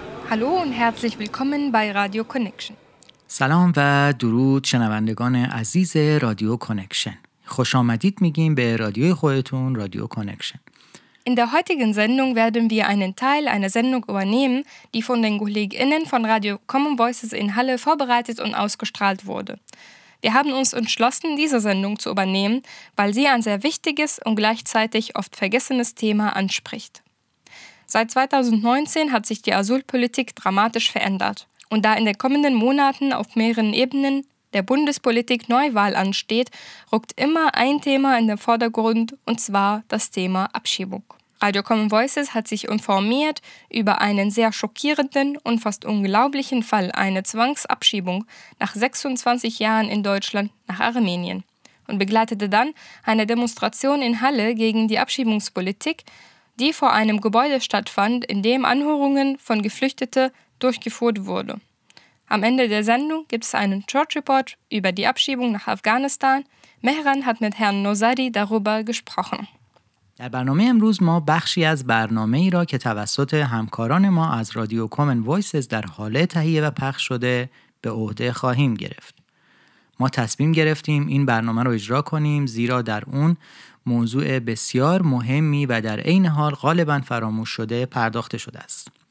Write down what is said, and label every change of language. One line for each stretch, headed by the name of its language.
German: Hallo und herzlich willkommen bei Radio Connection.
Persian: سلام و درود شنوندگان عزیز رادیو کانکشن. خوش آمدید میگیم به رادیوی خودتون رادیو کانکشن.
German: In der heutigen Sendung werden wir einen Teil einer Sendung übernehmen, die von den KollegInnen von Radio Common Voices in Halle vorbereitet und ausgestrahlt wurde. Wir haben uns entschlossen, diese Sendung zu übernehmen, weil sie ein sehr wichtiges und gleichzeitig oft vergessenes Thema anspricht. Seit 2019 hat sich die Asylpolitik dramatisch verändert. Und da in den kommenden Monaten auf mehreren Ebenen der Bundespolitik Neuwahl ansteht, rückt immer ein Thema in den Vordergrund, und zwar das Thema Abschiebung. Radio Common Voices hat sich informiert über einen sehr schockierenden und fast unglaublichen Fall, eine Zwangsabschiebung nach 26 Jahren in Deutschland nach Armenien, und begleitete dann eine Demonstration in Halle gegen die Abschiebungspolitik, die vor einem Gebäude stattfand, in dem Anhörungen von Geflüchteten durchgeführt wurde. Am Ende der Sendung gibt es einen Church Report über die Abschiebung nach Afghanistan. Mehran hat mit Herrn Nosari darüber gesprochen.
Persian: در برنامه امروز ما بخشی از برنامه‌ای را که توسط همکاران ما از رادیو کامن وایسز در حاله تهیه و پخش شده به عهده خواهیم گرفت. ما تصمیم گرفتیم این برنامه را اجرا کنیم زیرا در اون موضوع بسیار مهمی و در عین حال غالبا فراموش شده پرداخته شده است.